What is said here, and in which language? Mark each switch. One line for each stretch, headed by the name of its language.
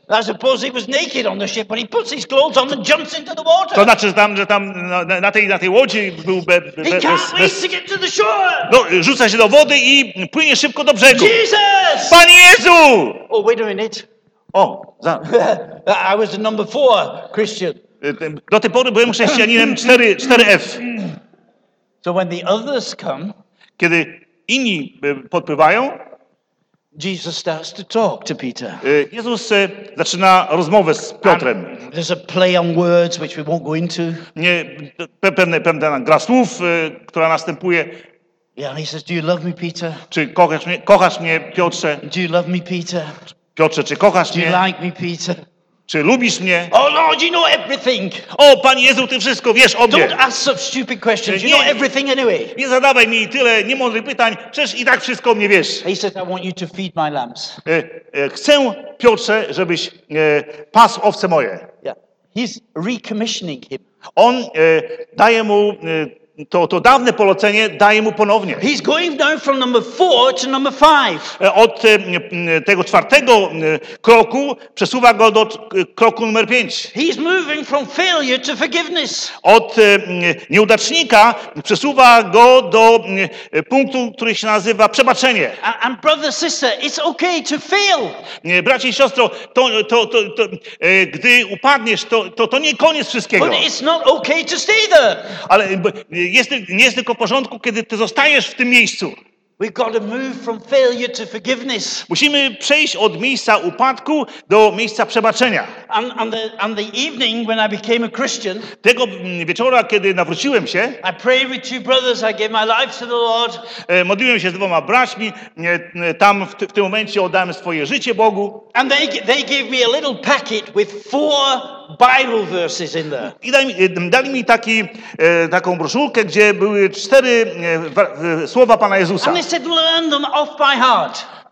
English: I suppose he was naked on the ship, but he puts his clothes on and jumps into the water.
Polish: To znaczy, że tam na tej łodzi był
English: bez... to get to the shore.
Polish: No, rzuca się do wody i płynie szybko do brzegu.
English: Jesus!
Polish: Pan Jezu!
English: Oh, wait a minute.
Polish: Oh, za.
English: I was the number four Christian.
Polish: Do tej pory byłem chrześcijaninem 4F.
English: So when the others come,
Polish: kiedy inni podpływają,
English: Jesus starts to talk to Peter.
Polish: Jezus zaczyna rozmowę z Piotrem.
English: And there's a play on words which we won't go into.
Polish: Nie, pewna gra słów, która następuje.
English: Yeah, he says, do you love me, Peter?
Polish: Czy kochasz mnie, Piotrze?
English: Do you love me, Peter?
Polish: Piotrze, czy kochasz mnie?
English: Do you like me, Peter?
Polish: Czy lubisz mnie?
English: Oh Lord, you know everything.
Polish: O, Panie Jezu, Ty wszystko wiesz o mnie.
English: Don't ask some stupid questions. You know everything anyway.
Polish: Nie zadawaj mi tyle niemądrych pytań, przecież i tak wszystko o mnie wiesz.
English: He said, I want you to feed my lambs.
Polish: Chcę, Piotrze, żebyś pasł owce moje.
English: Yeah. He's recommissioning him.
Polish: On daje mu to dawne polecenie, daje mu ponownie.
English: He's going down from number four to number five.
Polish: Od tego czwartego kroku przesuwa go do kroku numer pięć.
English: He's moving from failure to forgiveness.
Polish: Od nieudacznika przesuwa go do punktu, który się nazywa przebaczenie.
English: And brother, sister, it's okay to fail.
Polish: Bracie i siostro, to gdy upadniesz, to nie koniec wszystkiego.
English: But it's not okay to stay there.
Polish: Ale nie jest tylko w porządku, kiedy ty zostajesz w tym miejscu.
English: We've got to move from failure to forgiveness.
Polish: Musimy przejść od miejsca upadku do miejsca przebaczenia.
English: And the evening when I became a Christian,
Polish: tego wieczora, kiedy nawróciłem się,
English: I prayed with two brothers, I gave my life to the Lord.
Polish: Modliłem się z dwoma braćmi, tam w tym momencie oddałem swoje życie Bogu.
English: And they gave me a little packet with four Bible verses in there.
Polish: I dali mi taką broszurkę, gdzie były cztery słowa Pana Jezusa.
English: And they said, learn them off by heart.